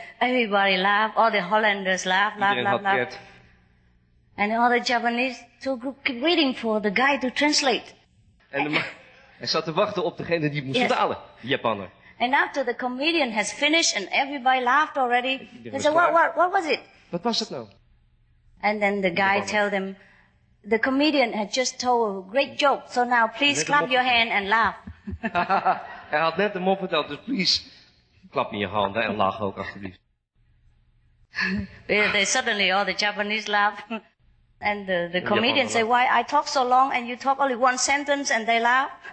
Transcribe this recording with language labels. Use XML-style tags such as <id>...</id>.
<en>Everybody laughed, all the Hollanders laughed. And all the Japanese two groups keep waiting for the guy to translate.</en> <nl>En hij zat te wachten op degene die moest vertalen, de Japaner.</nl> <en>And after the comedian has finished and everybody laughed already, they said, what was it?</en> <nl>Wat was het nou?</nl> <en>And then the guy tell them, the comedian had just told a great joke, so now please clap your hand and laugh.</en> <nl>Hij had net een mop verteld, dus please klap in je handen en lach ook alsjeblieft.</nl> <en>They suddenly all the Japanese laugh. And the comedian say, why I talk so long and you talk only one sentence and they laugh.</en>